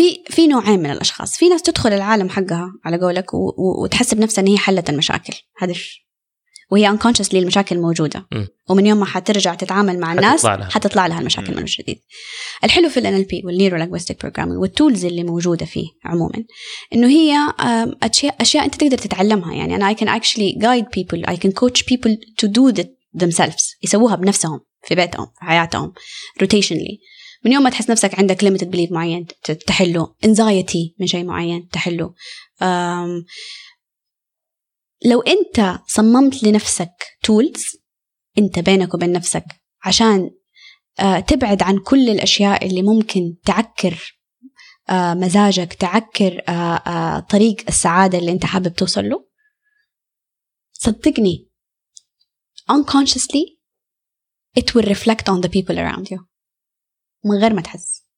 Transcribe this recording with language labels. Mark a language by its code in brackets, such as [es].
[ar] في نوعين من الأشخاص، في ناس تدخل العالم حقها على قولك وتحسب نفسها أنها حلت المشاكل، هذا وهي unconsciously المشاكل موجودة، ومن يوم ما حترجع تتعامل مع الناس حتطلع لها المشاكل من الجديد. الحلو في NLP والنيرو لانجويستيك بروجرامينج والتولز اللي موجودة فيه عموما، انه هي اشياء انت تقدر تتعلمها. يعني انا [en] I can actually guide people, I can coach people to do it themselves، [ar] يسووها بنفسهم في بيتهم في حياتهم روتيشنلي. من يوم ما تحس نفسك عندك limited belief معين تحله، anxiety من شيء معين تحله. لو أنت صممت لنفسك tools أنت بينك وبين نفسك عشان تبعد عن كل الأشياء اللي ممكن تعكر مزاجك، تعكر طريق السعادة اللي أنت حابب توصل له، صدقني unconsciously [en] it will reflect on the people around you [ar] من غير ما تحس.